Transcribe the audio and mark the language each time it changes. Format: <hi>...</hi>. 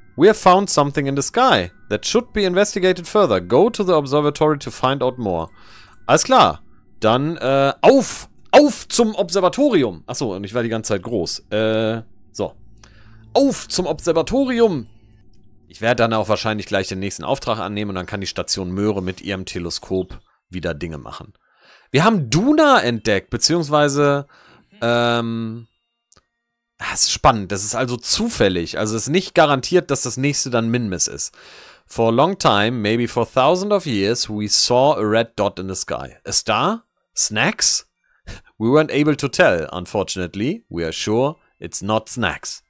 <en>We have found something in the sky that should be investigated further. Go to the observatory to find out more.</en> <de>Alles klar. Dann auf zum Observatorium. Achso, und ich war die ganze Zeit groß. So. Auf zum Observatorium. Ich werde dann auch wahrscheinlich gleich den nächsten Auftrag annehmen und dann kann die Station Möhre mit ihrem Teleskop wieder Dinge machen. Wir haben Duna entdeckt, beziehungsweise das ist spannend, das ist also zufällig. Also es ist nicht garantiert, dass das nächste dann Minmus ist.</de> <en>For a long time, maybe for thousands of years, we saw a red dot in the sky. A star? Snacks? We weren't able to tell, unfortunately. We are sure it's not Snacks.</en>